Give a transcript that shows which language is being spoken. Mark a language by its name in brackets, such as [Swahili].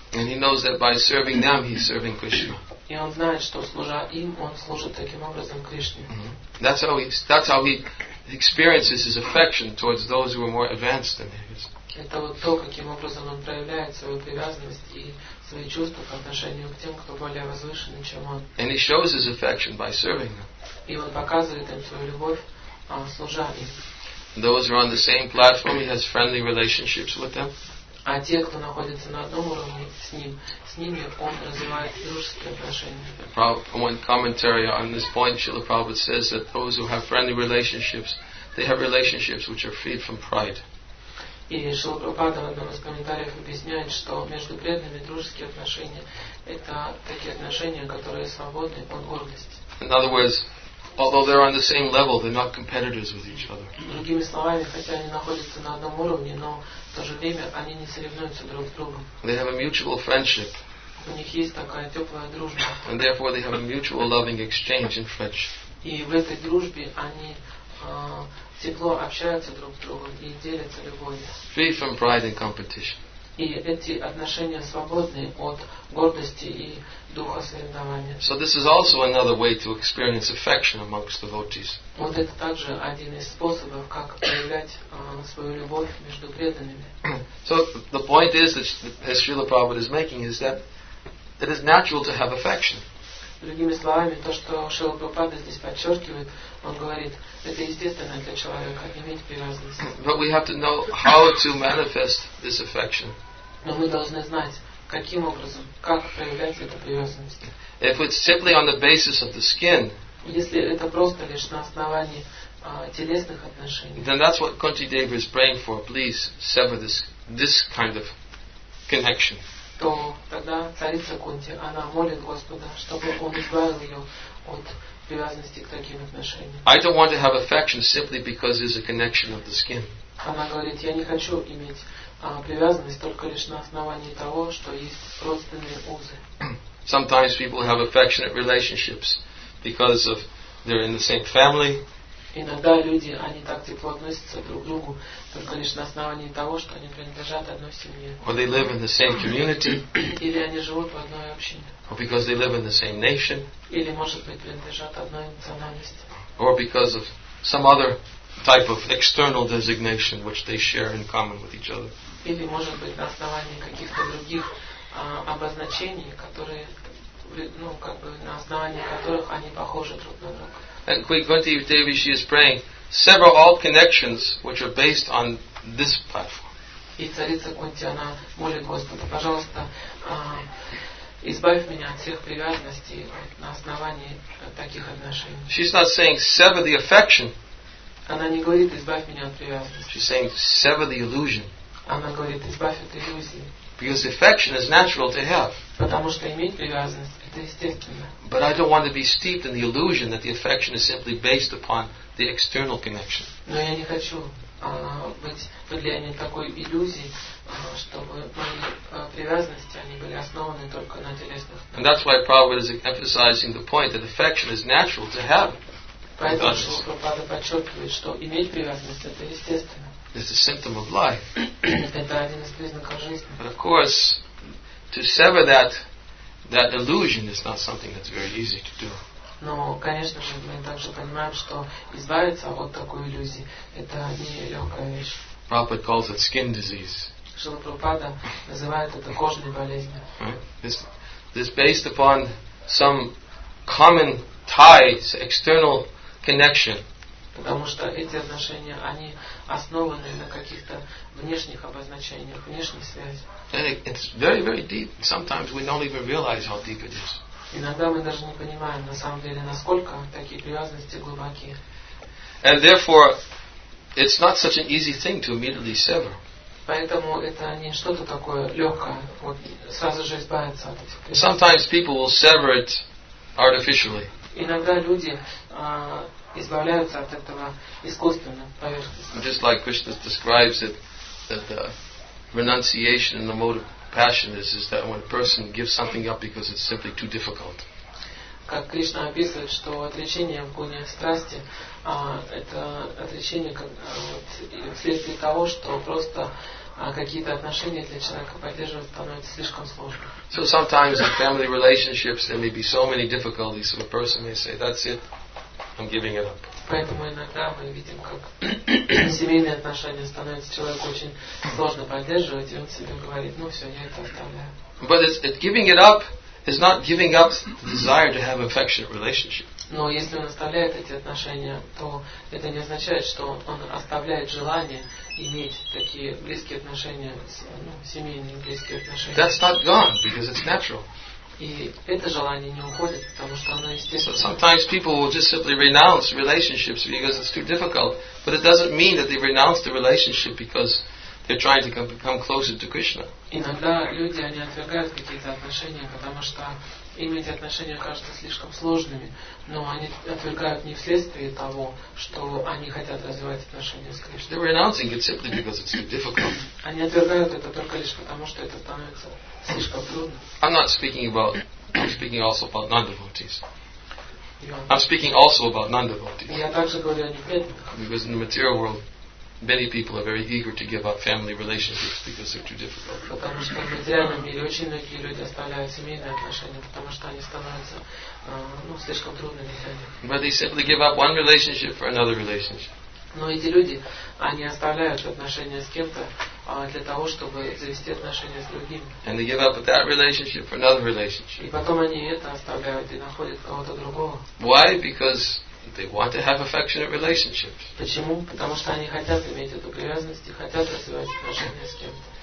[English] And he knows that by serving them, he's serving Krishna. [Russian] И он знает, что служа им, он служит таким образом Кришне. Mm-hmm. [English] That's how he experiences his affection towards those who are more advanced than him. [Russian] Это вот то, каким образом он проявляет свою привязанность и свои чувства по отношению к тем, кто более возвышен, чем он. [English] And he shows his affection by serving them. [Russian] И он показывает им свою любовь, служа им. [English] Those who are on the same platform, he has friendly relationships with them. [Russian] А те, кто находится на одном уровне с ними он развивает дружеские отношения. [English] One commentary on this point, Srila Prabhupada says that those who have friendly relationships, they have relationships which are freed from pride. [Russian] И Шрила Прабхупада в одном из комментариев объясняет, что между преданными дружеские отношения это такие отношения, которые свободны от гордости. [English] In other words, although they're on the same level, they're not competitors with each other. [Russian] Другими словами, хотя они находятся на одном уровне, но в то же время они не соревнуются друг с другом. [English] They have a mutual friendship. [Russian] У них есть такая теплая дружба. [English] And therefore they have a mutual loving exchange in friendship. [Russian] И в этой дружбе они тепло общаются друг с другом и делятся любовью. [English] Free from pride and competition. [Russian] И эти отношения свободны от гордости и духа соревнования. [English] So this is also another way to experience affection amongst devotees. [Russian] Вот это также один из способов, как проявлять свою любовь между преданными. [English] So the point is that as Srila Prabhupada is making is that it is natural to have affection. [Russian] Другими словами, то, что Шрила Прабхупада здесь подчеркивает, он говорит, это естественно для человека иметь привязанность. [English] But we have to know how to manifest this affection. [Russian] Но мы должны знать, каким образом, как проявлять эту привязанность. [English] If it's simply on the basis of the skin, [Russian] если это просто лишь на основании телесных отношений, [English] then that's what Kunti Deva is praying for. Please sever this kind of connection. [Russian] То тогда царица Кунти, она молит Господа, чтобы Он избавил ее от привязанности к таким отношениям. [English] I don't want to have affection simply because there's a connection of the skin. [Russian] Она говорит, я не хочу иметь привязанность только лишь на основании того, что есть родственные узы. [English] Sometimes people have affectionate relationships because of they're in the same family. [Russian] Иногда люди, они так тепло относятся друг к другу, только лишь на основании того, что они принадлежат одной семье. [English] Or they live in the same community. [Russian] Или они живут в одной общине. [English] Or because they live in the same nation. [Russian] Или, может быть, принадлежат одной национальности. [English] Or because of some other type of external designation which they share in common with each other. [Russian] Или, может быть, на основании каких-то других обозначений, которые, ну, как бы, на основании которых они похожи друг на друга. [English] And Queen Kunti Devi, she is praying, sever all connections which are based on this platform. [Russian] И царица Кунти, она молит Господа, пожалуйста, избавь меня от всех привязанностей на основании таких отношений. [English] She's not saying sever the affection. [Russian] Она не говорит избавь меня от привязанности. [English] She's saying sever the illusion. [Russian] Она говорит избавь от иллюзии. [English] Because affection is natural to have. [Russian] Потому что иметь привязанность это естественно. [English] But I don't want to be steeped in the illusion that the affection is simply based upon the external connection. [Russian] Но я не хочу быть под влиянием такой иллюзии, чтобы мои привязанности они были основаны только на телесных. [English] And that's why Prabhupada is emphasizing the point that affection is natural to have. [Russian] Поэтому Шрила Прабхупада подчеркивает, что иметь привязанность это естественно. [English] It's a symptom of life. [Russian] Это один из признаков жизни. [English] But of course, to sever that illusion is not something that's very easy to do. [Russian] Но, конечно же, мы также понимаем, что избавиться от такой иллюзии это не легкая вещь. [English] Prabhupada calls it skin disease. [Russian] Шрила Прабхупада называет это кожной болезнью. [English] It's based upon some common ties, external connection. [Russian] Потому что эти отношения, они основаны на каких-то внешних обозначениях, внешних связях. [English] It's very, very deep. Sometimes we don't even realize how deep it is. [Russian] Иногда мы даже не понимаем, на самом деле, насколько такие привязанности глубокие. [English] And therefore, it's not such an easy thing to immediately sever. [Russian] Поэтому это не что-то такое легкое, вот сразу же избавиться от этих привязанностей. [English] Sometimes people will sever it artificially. [Russian] Иногда люди избавляются от этого искусственно, поверхностно. [English] Just like Krishna describes it, that the renunciation and the mode of passion is that when a person gives something up because it's simply too difficult. [Russian] Как Кришна описывает, что отречение в гуне страсти это отречение вследствие того, что просто какие-то отношения для человека поддерживать становится слишком сложно. [English] So sometimes in family relationships there may be so many difficulties, so a person may say, that's it. I'm giving it up. [Russian] Поэтому иногда мы видим, как семейные отношения становятся человеку очень сложно поддерживать, и он себе говорит, ну все, я это оставляю. [English] But it's giving it up is not giving up the desire to have affectionate relationship. [Russian] Но если он оставляет эти отношения, то это не означает, что он оставляет желание иметь такие близкие отношения, семейные близкие отношения. [English] That's not gone because it's natural. [Russian] И это желание не уходит, потому что оно естественно. [English] Sometimes people will just simply renounce relationships because it's too difficult, but it doesn't mean that they renounce the relationship because They're trying to come closer to Krishna. [Russian] Иногда люди они отвергают какие-то отношения, потому что им эти отношения кажутся слишком сложными, но они отвергают не вследствие того, что они хотят развивать отношения с Кришной. [English] They're renouncing it simply because it's too difficult. [Russian] Они отвергают это только лишь потому, что это становится слишком трудно. [English] I'm not speaking about, I'm speaking also about non-devotees. I'm speaking also about non-devotees. [Russian] Я также говорю о неверных. [English] Because in the material world, many people are very eager to give up family relationships because they're too difficult. [Russian] Потому что в материальном мире очень многие люди оставляют семейные отношения, потому что они становятся слишком трудными для них. [English] But they simply give up one relationship for another relationship. [Russian] Но эти люди, они оставляют отношения с кем-то для того, чтобы завести отношения с другим. [English] And they give up that relationship for another relationship. [Russian] И потом они это оставляют и находят кого-то другого. [English] Why? Because they want to have affectionate relationships. [Russian] Почему? Потому что они хотят иметь эту привязанность и хотят развивать отношения с кем-то.